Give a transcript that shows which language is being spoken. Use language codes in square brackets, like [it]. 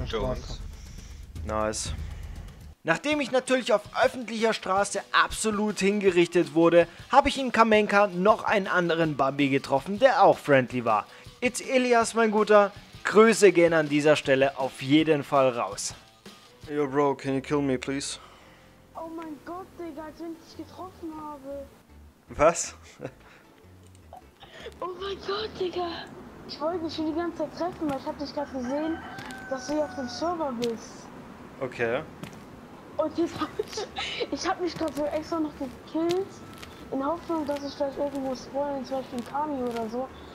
[de] der Straße. Nice. Nachdem ich natürlich auf öffentlicher Straße absolut hingerichtet wurde, habe ich in Kamenka noch einen anderen Bambi getroffen, der auch friendly war. It's Elias, mein Guter. Grüße gehen an dieser Stelle auf jeden Fall raus. [en] Yo, Bro, can you kill me, please? [de] Oh mein Gott, Digga, als wenn ich dich getroffen habe. Was? Oh mein Gott, Digga. Ich wollte dich schon die ganze Zeit treffen, weil ich hab dich gerade gesehen, dass du hier auf dem Server bist. Okay. Und jetzt hab mich gerade so extra noch gekillt, in Hoffnung, dass ich vielleicht irgendwo spawnen, zum Beispiel Kami oder so.